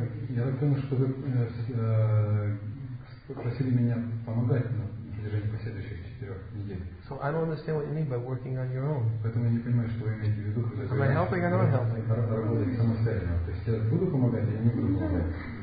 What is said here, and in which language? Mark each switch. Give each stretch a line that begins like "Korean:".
Russian: Я так думаю, что вы просили меня помогать на протяжении последующих 4 недель.
English: So I don't understand what you mean by working on your own.
Russian: Поэтому я не понимаю, что вы имеете в виду.
English: Am I helping or not helping?
Russian: Работать самостоятельно. То есть я буду помогать, я не буду помогать.